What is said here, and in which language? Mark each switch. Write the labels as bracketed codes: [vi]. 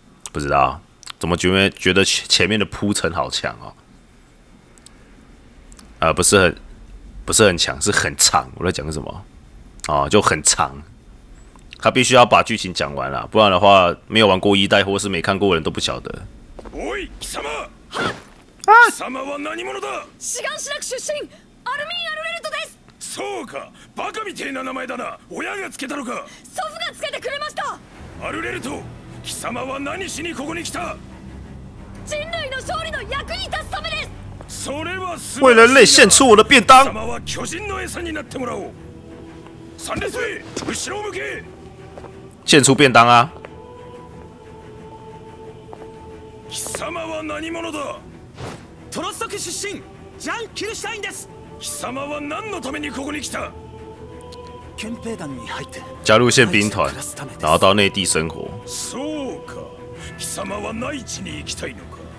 [zh] 不知道，怎么觉得前面的铺陈好强哦？不是很强，是很长。我在讲什么？啊，就很长。他必须要把剧情讲完了，不然的话，没有玩过一代或是没看过的人都不晓得。喂， [ja] 貴様！啊！貴様は何者だ？シガンシナク出身、アルミン・アルレルトです。そうか、バカみてえな名前だな。親がつけたのか？祖父がつけてくれました。アルレルト。貴様は何しにここに来た？人類の勝利の役に立つためです。それは [zh] 为人类献出我的便当。 [ja] 貴様は巨人の餌になってもらおう。 3列目、後ろ向け。 [zh] 献出便当啊！ [ja] 貴様は何者だ？トロストク出身、ジャン・キルシュタインです。貴様は何のためにここに来た？憲兵団に入って [zh] 加入宪兵团，拿到内地生活。 [ja] そうか。貴様は内地に行きたいのか。